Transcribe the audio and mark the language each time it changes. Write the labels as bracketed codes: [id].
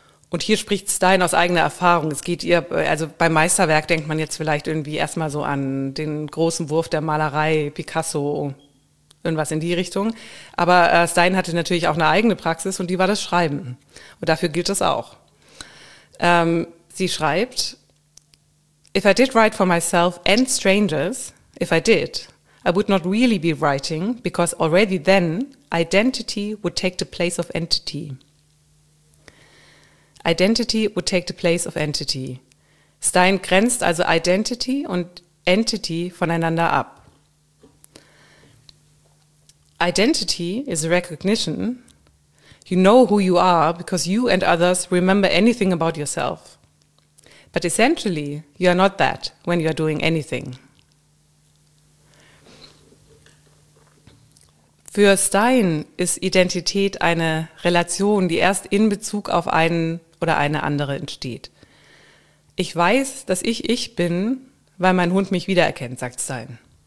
[de] Und hier spricht Stein aus eigener Erfahrung. Es geht ihr, also beim Meisterwerk denkt man jetzt vielleicht irgendwie erstmal so an den großen Wurf der Malerei, Picasso, irgendwas in die Richtung. Aber Stein hatte natürlich auch eine eigene Praxis und die war das Schreiben. Und dafür gilt das auch. Sie schreibt, [en] if I did write for myself and strangers, if I did, I would not really be writing, because already then identity would take the place of entity. Identity would take the place of entity. [de] Stein grenzt also Identity und Entity voneinander ab. [en] Identity is recognition. You know who you are because you and others remember anything about yourself. But essentially, you are not that when you are doing anything. [de] Für Stein ist Identität eine Relation, die erst in Bezug auf einen oder eine andere entsteht. Ich weiß, dass ich ich bin, weil mein Hund mich wiedererkennt, sagt Stein.